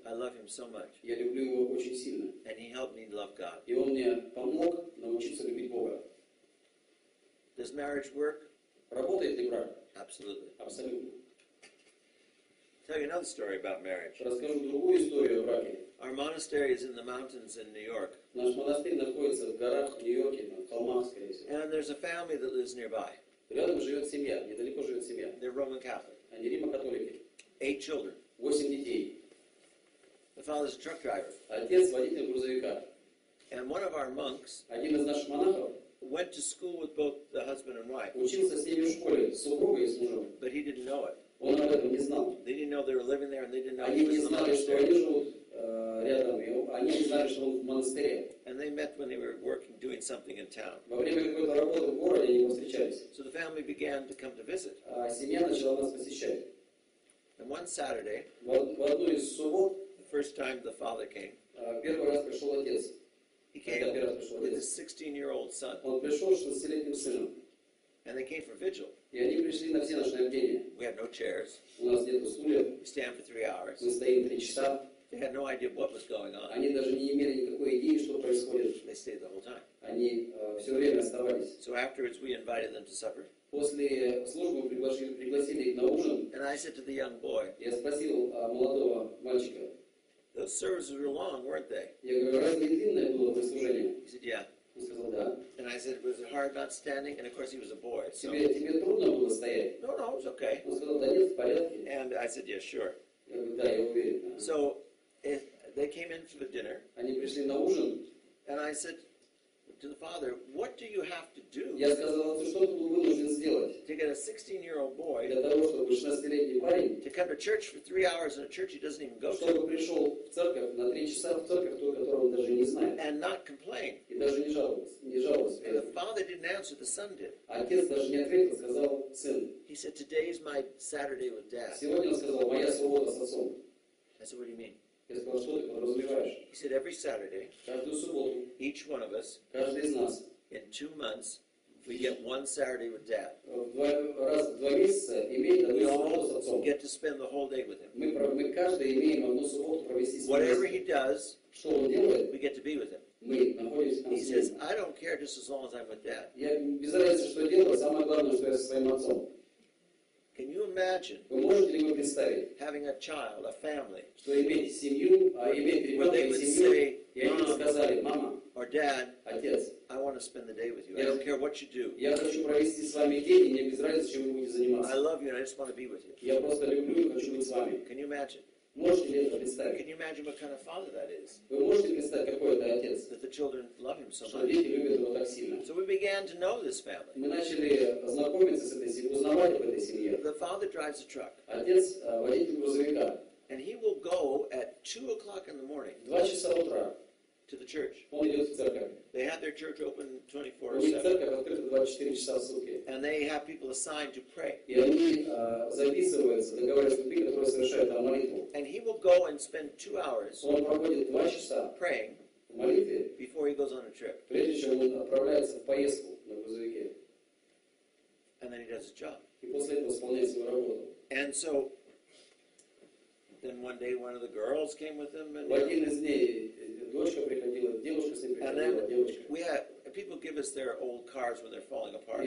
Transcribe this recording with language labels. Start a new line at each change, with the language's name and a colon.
English: I love him so much.
Russian: Я люблю его очень сильно.
English: And he helped me love God.
Russian: И он мне помог научиться любить Бога.
English: Does marriage work?
Russian: Работает ли брак?
English: Absolutely.
Russian: Абсолютно.
English: Tell you another story about marriage.
Russian: Расскажу другую историю о браке.
English: Our monastery is in the mountains in New York.
Russian: Наш монастырь находится в горах в Нью-Йорке, на холмах, скорее всего.
English: And there's a family that lives nearby.
Russian: Рядом живет семья, недалеко живет семья.
English: They're Roman Catholic.
Russian: Они римо-католики.
English: 8 children.
Russian: 8 детей.
English: The father's a truck driver.
Russian: Отец водитель грузовика.
English: And one of our monks,
Russian: один из наших монахов,
English: went to school with both the husband and wife.
Russian: Учился с ними в школе, с супругой и с мужем.
English: But he didn't know it.
Russian: Он об этом не знал.
English: They didn't know they were living there, and they didn't know.
Russian: Они не знали, что они живут рядом. Они не знали, что он в монастыре.
English: And they met when they were working, doing something in town.
Russian: Во время какой-то работы в городе они встречались.
English: So the family began to come to visit.
Russian: Семья начала нас посещать.
English: And one Saturday,
Russian: в одну из суббот,
English: first time the father came.
Russian: Первый раз пришел отец.
English: He came with his 16-year-old son.
Russian: Он пришел с 16-летним сыном.
English: And they came for vigil.
Russian: И они пришли на всеночное бдение.
English: We had no chairs.
Russian: У нас нет стульев.
English: We stand for 3 hours.
Russian: Мы стоим 3 часа.
English: They had no idea what was going on.
Russian: Они даже не имели никакой идеи, что происходит.
English: They stayed the whole time.
Russian: Они все время оставались.
English: So afterwards, we invited them to supper.
Russian: После службы пригласили их на ужин.
English: And I said to the young boy.
Russian: Я спросил молодого мальчика.
English: Those services were long, weren't they?
Russian: Я говорю, разве длинное было прослужение?
English: He said, yeah.
Russian: Он сказал, да.
English: And I said, was it hard not standing? And of course, he was a boy. So.
Russian: Тебе трудно было стоять?
English: No, no, it was okay.
Russian: Он сказал, да нет, в порядке.
English: And I said, yeah, sure.
Russian: Я говорю, да, я уверен.
English: So, if they came in for the dinner.
Russian: Они пришли на ужин.
English: And I said to the father, what do you have to do?
Russian: Я сказал, что ты должен сделать?
English: To get a 16-year-old boy.
Russian: Для того, чтобы 16-летний парень.
English: To come to church for 3 hours in a church he doesn't even go to.
Russian: Чтобы пришел в церковь на 3 часа в церковь, ту, которую он даже не знает.
English: And not complain.
Russian: И даже не жаловаться. Не жаловаться.
English: The father didn't answer, the son did.
Russian: Отец даже не ответил, сказал сын.
English: He said, today is my Saturday with dad.
Russian: Сегодня он сказал, моя суббота с отцом.
English: I said, what do you mean?
Russian: Сказал,
English: he said, every Saturday,
Russian: субботу,
English: each one of us,
Russian: нас,
English: in 2 months, we get one Saturday with dad.
Russian: Два месяца имеет одну субботу с отцом.
English: We get to spend the whole day with him.
Russian: Мы каждый имеем одну субботу провести с ним.
English: Whatever he does,
Russian: что он делает,
English: we get to be with him.
Russian: Мы находимся
English: he says, I don't care just as long as I'm with dad.
Russian: Я без разницы, что делаю, самое главное, что я со своим отцом.
English: Can you imagine?
Russian: Вы можете ли вы представить?
English: Having a child, a family.
Russian: Что иметь семью, иметь ребенка, семью. И они сказали, мама.
English: Or dad.
Russian: Отец.
English: I want to spend the day with you. I don't care what you do.
Russian: Я хочу провести с вами день, и мне без разницы, чем вы будете заниматься.
English: I love you, and I just want to be with you.
Russian: Я просто люблю и хочу быть с вами.
English: Can you imagine?
Russian: Можете ли это представить?
English: Can you imagine what kind of father that is?
Russian: Вы можете представить, какой это отец?
English: That the children love him so much.
Russian: Что дети любят его так сильно.
English: So we began to know this family.
Russian: Мы начали знакомиться с этой семьей, узнавать об этой семье.
English: The father drives a truck.
Russian: Отец водитель грузовика.
English: And he will go at 2 o'clock in the morning.
Russian: 2 часа утра.
English: To the church.
Russian: Он идет в церковь.
English: They have their church open 24/7.
Russian: У них церковь открыта 24 часа в сутки.
English: And they have people assigned to pray.
Russian: И они записываются, договариваются с людьми, которые совершают там молитву.
English: And he will go and spend 2 hours.
Russian: Он проводит 2 часа.
English: Praying.
Russian: В молитве.
English: Before he goes on a trip.
Russian: Прежде чем он отправляется в поездку на грузовике.
English: And then he does his job.
Russian: И после этого исполняет свою работу.
English: And so. Then one day one of the girls came with him.
Russian: В один из дней дочка приходила, девушка с ним приходила, девочка.
English: We had people give us their old cars when they're falling apart.